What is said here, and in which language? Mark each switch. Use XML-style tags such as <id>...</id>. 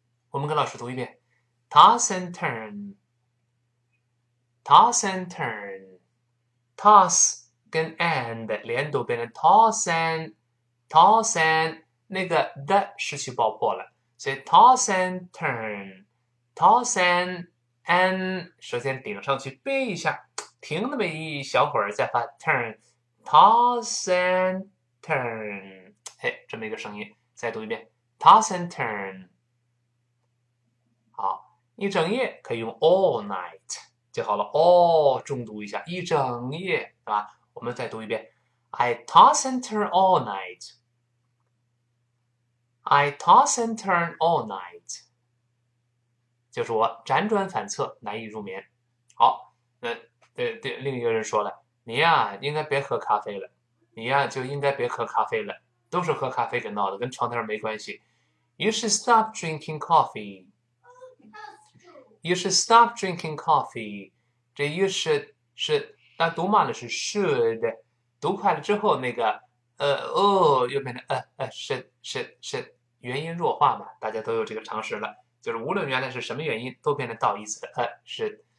<zh>我们跟老师读一遍，toss and turn，toss and turn，toss 跟 and 连读变成 toss and 那个 the 失去爆破了，所以 toss and turn，toss and 首先顶上去背一下，停那么一小会儿再发 turn，toss and turn，哎，这么一个声音，再读一遍 toss and turn。好，一整夜可以用 all night 就好了。哦，重读一下，一整夜，是吧？</zh> <en>我们再读一遍，I toss and turn all night. I toss and turn all night.</en> <zh>就是我辗转反侧，难以入眠。好，那另一个人说了，你呀应该别喝咖啡了，你呀就应该别喝咖啡了，都是喝咖啡给闹的，跟床单没关系。</zh> <en>You should stop drinking coffee. You should stop drinking coffee。</en> <zh>这 you should 是，那读慢了是 should，读快了之后那个又变成should，元音弱化嘛，大家都有这个常识了，就是无论原来是什么原因，都变成倒义词的should。</zh>